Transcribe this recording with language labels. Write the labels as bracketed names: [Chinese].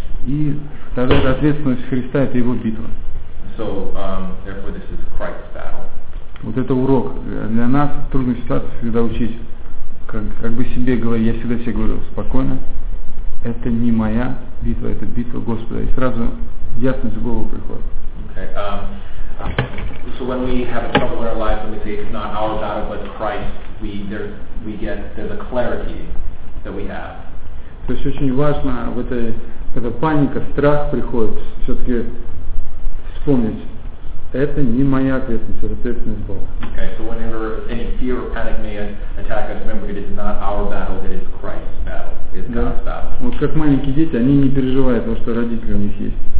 [Russian] И вторая ответственность Христа – это Его битва. [English] So, therefore, this is Christ's battle. [Russian] Вот это урок для нас в трудных ситуациях всегда учить. Как бы себе говорю, я всегда себе говорю спокойно, это не моя битва, это битва Господа. И сразу ясность в голову приходит. [English] Okay. So when we have a trouble in our life and we say it's not our battle but Christ, there's a clarity that we have. [Russian] То есть очень важно, вот эта паника, страх приходит, все-таки вспомнить, это не моя ответственность, это ответственность Бога. [English] Okay, so whenever any fear or panic may attack us, remember it is not our battle, it is Christ's battle, it is God's battle. [Russian] Да. Вот как маленькие дети, они не переживают, потому что родители у них есть.